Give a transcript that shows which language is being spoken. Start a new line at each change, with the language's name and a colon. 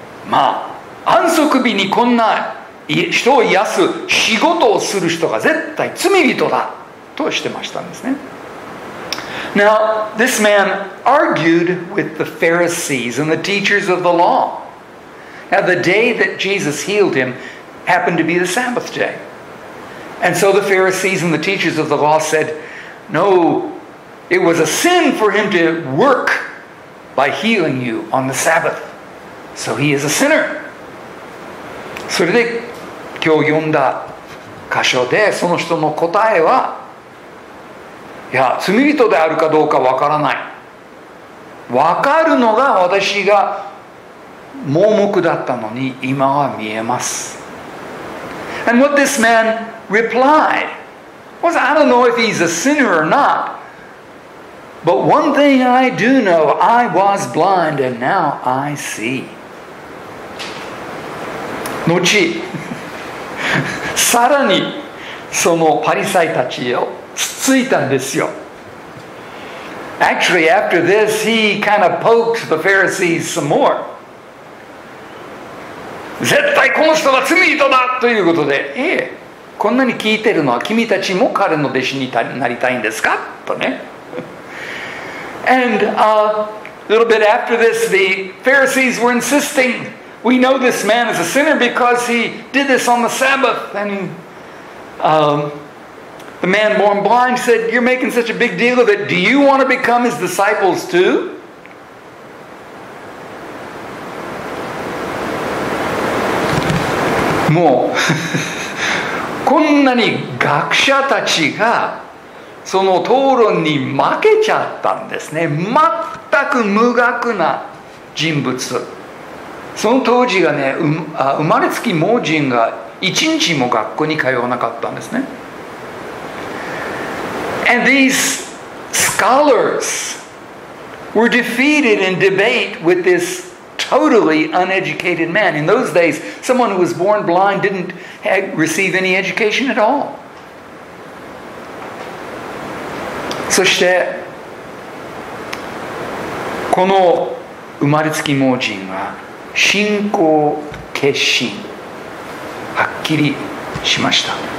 Japanese: まあ安息日にこんな人を癒す仕事をする人が絶対罪人だとしてましたんですね。
English: Now this man argued with the Pharisees and the teachers of the law. Now the day that Jesus healed him happened to be the Sabbath day. And so the Pharisees and the teachers of the law said, No, it was a sin for him to work by healing you on the Sabbath. So he is a sinner.
Japanese: それで今日読んだ箇所でその人の答えは、いや罪人であるかどうかわからない、わかるのが私が盲目だったのに今は見えます。
English: And what this man replied was, I don't know if he's a sinner or not, but one thing I do know, I was blind and now I see.
Japanese: 後さらにそのパリサイたちをつついたんですよ。
English: Actually after this he kind of poked the Pharisees some more.
Japanese: 絶対この人は罪人だということで、ええ、こんなに聞いてるのは君たちも彼の弟子になりたいんですかとね。
English: And a little bit after this the Pharisees were insistingWe know this man is a sinner because he did this on the Sabbath. And the man born blind said, You're making such a big deal of it. Do you want to become his disciples too?
Japanese: もうこんなに学者たちがその討論に負けちゃったんですね。全く無学な人物。その当時がね、生まれつき盲人が一日も学校に通わなかったんですね。
English: And these scholars were defeated in debate with this totally uneducated man. In those days, someone who was born blind didn't receive any education at all.
Japanese: そしてこの生まれつき盲人が信仰決心はっきりしました。